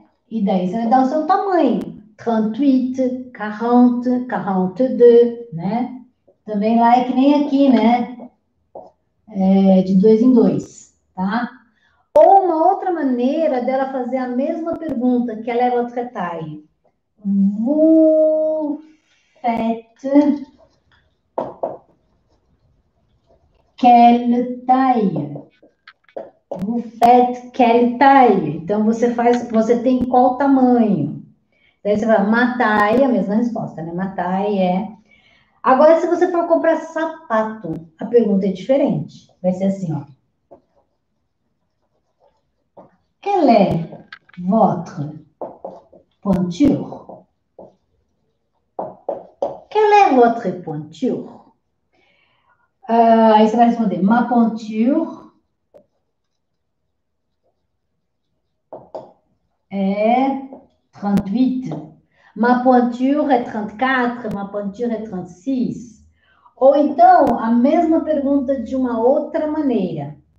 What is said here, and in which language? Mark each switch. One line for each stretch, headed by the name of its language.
Portuguese: E daí você vai dar o seu tamanho. 38, 40, 42, né? Também lá é que nem aqui, né? É de dois em dois, tá? Ou uma outra maneira dela fazer a mesma pergunta, que ela é outro detalhe.
French: Vous faites quelle taille? Vous faites quelle taille?
Portuguese: Então você tem qual tamanho? Daí você fala, matai é a mesma resposta, né? Matai é. Agora, se você for comprar sapato, a pergunta é diferente. Vai ser assim, ó.
French: Quelle est votre pointure? Quelle est votre pointure?
Portuguese: Aí você vai responder,
French: ma pointure
Portuguese: é 38.
French: Ma pointure é 34, ma pointure é 36. Ou então, a mesma pergunta de uma outra maneira.